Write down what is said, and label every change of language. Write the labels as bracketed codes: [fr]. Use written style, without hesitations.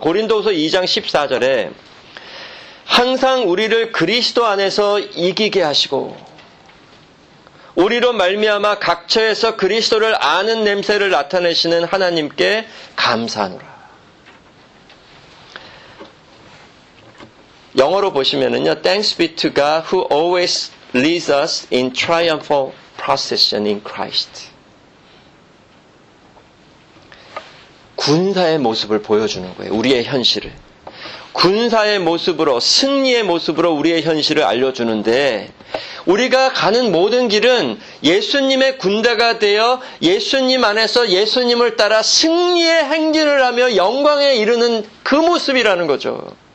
[ko] 고린도후서 2장 14절에 항상 우리를 그리스도 안에서 이기게 하시고 우리로 말미암아 각처에서 그리스도를 아는 냄새를 나타내시는 하나님께 감사하노라. 영어로 보시면은요, [en] Thanks be to God who always leads us in triumphal procession in Christ. [ko] 군사의 모습을 보여주는 거예요. 우리의 현실을. 군사의 모습으로, 승리의 모습으로 우리의 현실을 알려주는데 우리가 가는 모든 길은 예수님의 군대가 되어 예수님 안에서 예수님을 따라 승리의 행진을 하며 영광에 이르는 그 모습이라는 거죠.